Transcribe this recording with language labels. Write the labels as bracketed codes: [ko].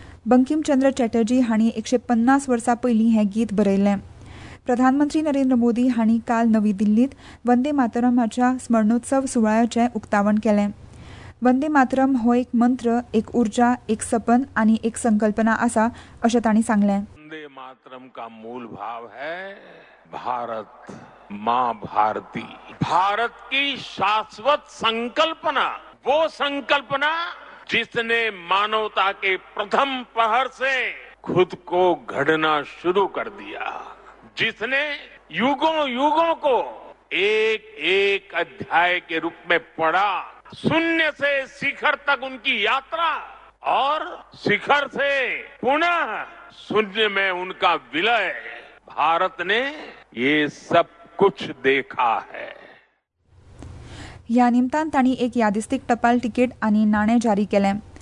[gom] बंकीमचंद्र चॅटर्जी हांणी 150 वर्सां पयलीं हें गीत बरयलें. प्रधानमंत्री नरेंद्र मोदी हांणी काल नवी दिल्लींत वंदे मातरमाच्या स्मरणोत्सव सुवाळ्याचें उक्तावण केलें. वंदे मातरम हो एक मंत्र, एक उर्जा, एक सपन आनी एक संकल्पना आसा अशें तांणी सांगलें. [hi] वंदे मातरम का मूल भाव है भारत, माँ भारती, भारत की शाश्वत संकल्पना, वो संकल्पना जिसने मानवता के प्रथम पहर से खुद को घड़ना शुरू कर दिया, जिसने युगों युगों को एक एक अध्याय के रूप में पढ़ा, शून्य से शिखर तक उनकी यात्रा और शिखर से पुनः शून्य में उनका विलय, भारत ने ये सब कुछ देखा है. [gom] ह्या निमतान तांणी एक यादिस्तीक टपाल तिकेट आनी नाणें जारी केलें.